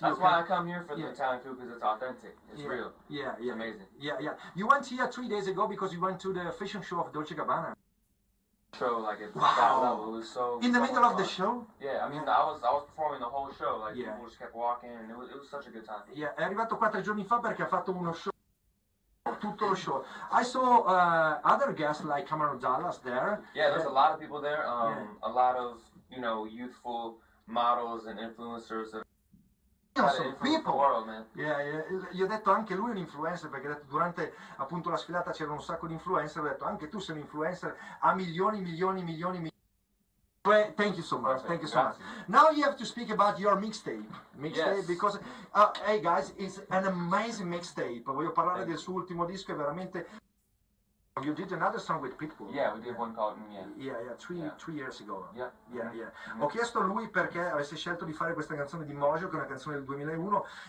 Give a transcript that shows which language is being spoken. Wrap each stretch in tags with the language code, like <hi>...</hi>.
<en>That's why I come here for the Italian food, because it's authentic. It's real. Yeah. It's amazing. Yeah. You went here 3 days ago because you went to the fishing show of Dolce Gabbana. Show, like, it's that level. It was so... In the middle of the show? Yeah, I mean, I was performing the whole show. Like, people just kept walking, and it was such a good time.</en> <it>Yeah, è arrivato 4 giorni fa perché ha fatto uno show. Tutto lo show.</it> <en>I saw other guests like Cameron Dallas there. Yeah, there's a lot of people there. A lot of, you know, youthful... models and influencers that are influencing the world, man.</en> <it>Yeah, gli ho detto anche lui è un influencer, perché ha detto durante appunto la sfilata c'erano un sacco di influencer, ho detto anche tu sei un influencer a milioni.</it> <en>But thank you so much. Now you have to speak about your mixtape. Yes. Because hey guys, it's an amazing mixtape.</en> <it>Voglio parlare del suo ultimo disco, è veramente.</it> <en>You did another song with Pitbull. Yeah, we did one called Mia. Three years ago. Yeah.</en> <it>Ho chiesto a lui perché avesse scelto di fare questa canzone di Mojo, che è una canzone del 2001.</it>